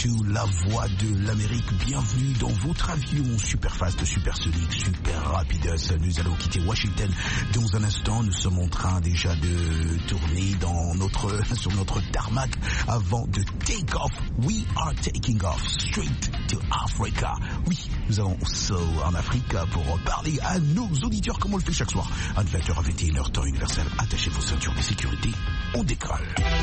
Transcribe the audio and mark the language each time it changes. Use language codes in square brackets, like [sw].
[fr] La voix de l'Amérique, bienvenue dans votre avion superfast, supersonique, super rapidus. Nous allons quitter Washington dans un instant. Nous sommes en train déjà de tourner dans notre, sur notre tarmac avant de [en] take off. We are taking off straight to Africa. [fr] Oui, nous allons aussi en Afrique pour parler à nos auditeurs comme on le fait chaque soir. À 20h à 21h, temps universel, attachez vos ceintures de sécurité, on décolle.